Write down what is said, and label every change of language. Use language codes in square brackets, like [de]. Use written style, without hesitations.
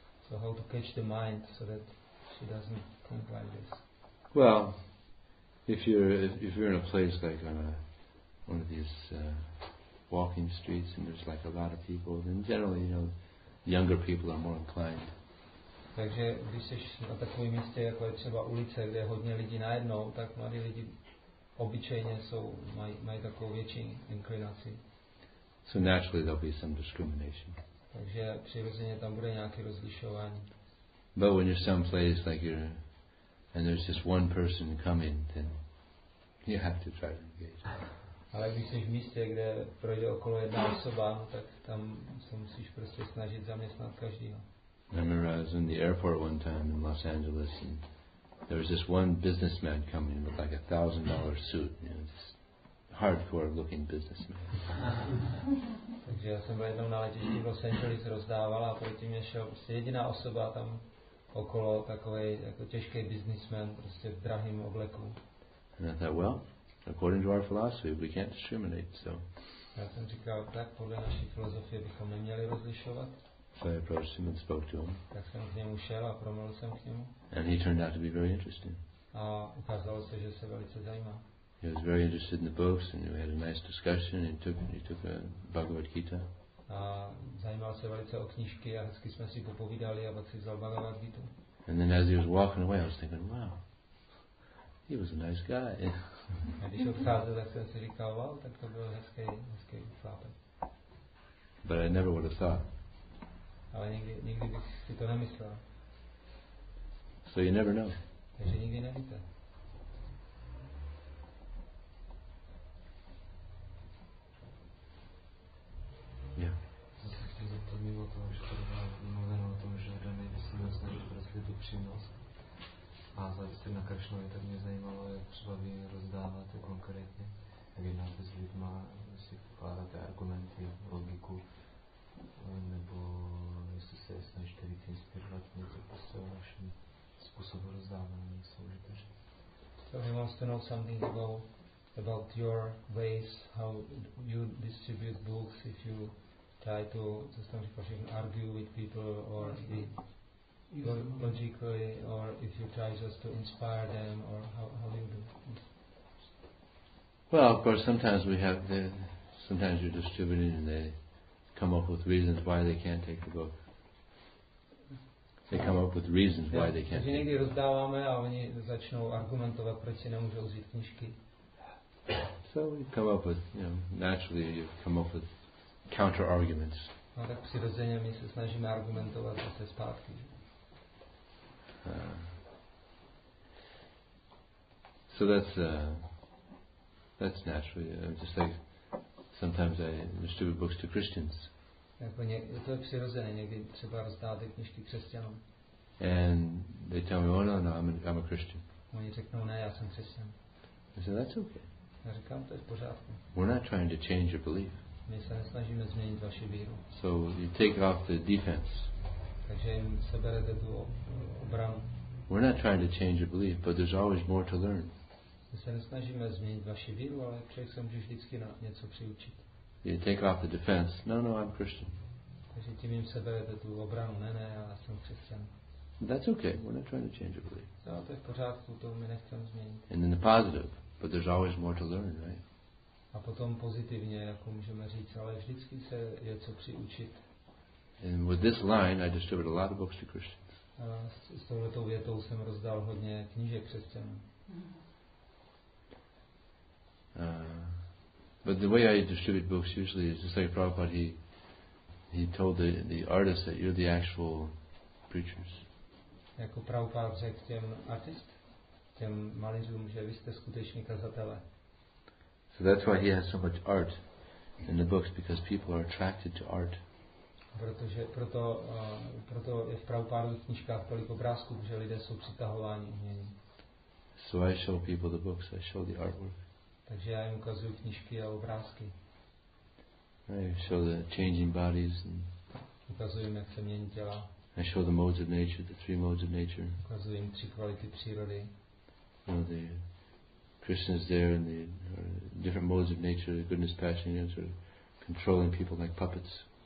[en] So how to catch the mind so that she doesn't think like this? Well, if you're in a place like on a one of these walking streets and there's like a lot of people, then generally, you know, younger people are more inclined. [cs] Takže když jsi na takovém místě, jako je třeba ulice, kde je hodně lidí najednou, tak mladí lidi obyčejně mají takovou větší inklinaci. [en] So naturally there'll be some discrimination. [cs] Takže přirozeně tam bude nějaké rozlišování. [en] But when you're some place like you're and there's just one person coming, then you have to try to engage. [cs] Ale když jsi v místě, kde projde okolo jedna osoba, tak tam se musíš prostě snažit zaměstnat každého. [en] I remember I was in the airport one time in Los Angeles, and there was this one businessman coming with like $1,000 suit, you know, this hardcore-looking businessman. [cs] Takže já jsem byl jednou na letišti v Los Angeles rozdával, a proti mě šel prostě jediná osoba tam okolo, takovej jako těžký businessman, prostě v drahým obleku. [en] And I thought, well, according to our philosophy, we can't discriminate, so. [cs] Já jsem říkal, tak podle naší filozofie bychom neměli rozlišovat. [en] So I approached him and spoke to him. [cs] Tak jsem k němu šel a promluvil jsem k němu. [en] And he turned out to be very interesting. [cs] A ukázalo se, že se velice zajímá. [en] He was very interested in the books, and we had a nice discussion. And he took a Bhagavad Gita. [cs] A zajímal se velice o knížky a hezky jsme si popovídali a pak si vzal Bhagavad Gita. [en] And then as he was walking away, I was thinking, wow, he was a nice guy. [cs] A když odcházel, tak jsem si říkal, wow, tak to byl hezký chlapec. [en] But I never would have thought. [cs] Ale nikdy bych si to nemyslel. [en] So you never know. [cs] Takže nikdy nevíte. [en] Yeah. [cs] Já se chtěl zeptat mimo toho, že to byla mluvená o tom, že René by si měl snažit prostě tu přímnost. A závisí na Kršnovi, tak mě zajímalo, jak třeba vy rozdáváte konkrétně, jak jednáte s lidma, jestli vkládáte argumenty, logiku, nebo snažíte víc inspirovat něco prostě vašem způsobu rozdávání soužitaři. [en] So he wants to know something about your ways, how you distribute books, if you try to just argue with people or logically, or if you try just to inspire them, or how you do it. Well, of course, sometimes we have sometimes you're distributing and they come up with reasons why they can't take the book. They come up with reasons why they can't. [cs] Takže někdy rozdáváme a oni začnou argumentovat, proč si nemůžou vzít knížky. [en] So we come up with, you know, naturally you come up with counter arguments. [cs] No, tak přirozeně my se snažíme argumentovat zase zpátky. [en] So that's naturally, just like sometimes I distribute books to Christians. [cs] Jako to je přirozené, někdy třeba rozdáváte knížky křesťanům. [en] And they tell me, oh no, I'm a Christian. [cs] Oni řeknou, ne, já jsem křesťan. [en] I say, that's okay. [cs] Já říkám, to je v pořádku. [en] We're not trying to change your belief. [cs] My se nesnažíme změnit vaši víru. [en] So you take off the defense. [cs] Takže jim seberete tu obranu. [en] We're not trying to change your belief, but there's always more to learn. [cs] My se nesnažíme změnit vaši víru, ale člověk se může vždycky na něco přiučit. [en] You take off the defense. No, I'm Christian. [cs] Takže tím jim seberete tu obranu. Ne, já jsem křesťan. [en] That's okay. We're not trying to change your belief. [cs] No, to je v pořádku, to my nechceme změnit. [en] And then the positive. But there's always more to learn, right? [cs] A potom pozitivně, jako můžeme říct, ale vždycky se je co přiučit. [en] And with this line, I distributed a lot of books to Christians. [cs] A s touhletou větou jsem rozdal hodně knížek křesťanům. [en] But the way I distribute books usually is just like Prabhupada, he told the artists that you're the actual preachers. [cs] Jako Prabhupada řekl těm artistům, těm malířům, že vy jste skuteční kazatelé. [en] So that's why he has so much art in the books, because people are attracted to art. [cs] Proto je v Prabhupádových knížkách tolik obrázků, že lidé jsou přitahováni uměním. [en] So I show people the books, I show the artwork. [cs] Takže já jim ukazuju knížky a obrázky. [en] I show the changing bodies and [cs] ukazuju jim, jak se mění těla. [en] I show the modes of nature, the three modes of nature. [cs] Ukazuju jim tři kvality přírody. [en] The Krishna's there in the different modes of nature, the goodness, passion, and sort of controlling people like puppets.